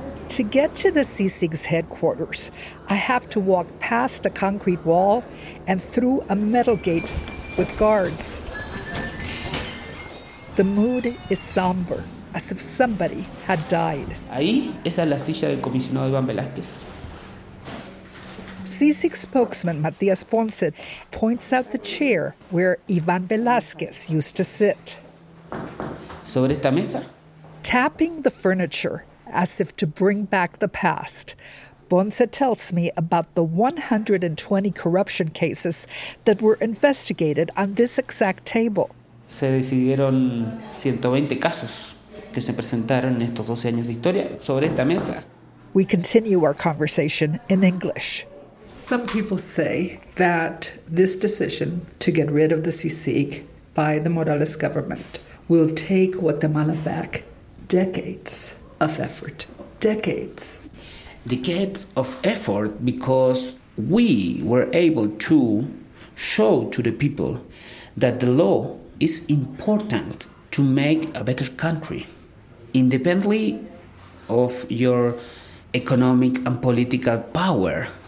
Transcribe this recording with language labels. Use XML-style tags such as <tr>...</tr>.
<en>To get to the CICIG's headquarters, I have to walk past a concrete wall and through a metal gate with guards. The mood is somber, as if somebody had died.</en> <es>Ahí, esa es la silla del comisionado Iván Velázquez.</es> <en>CICIG spokesman Matias Ponce points out the chair where Iván Velázquez used to sit.</en> <es>Sobre esta mesa?</es> <en>Tapping the furniture, as if to bring back the past, Ponce tells me about the 120 corruption cases that were investigated on this exact table.</en> <es>Se decidieron 120 casos que se presentaron en estos 12 años de historia sobre esta mesa.</es> <en>We continue our conversation in English. Some people say that this decision to get rid of the CICIG by the Morales government will take Guatemala back decades of effort. Decades. Decades of effort because we were able to show to the people that the law is important to make a better country, independently of your economic and political power.</en>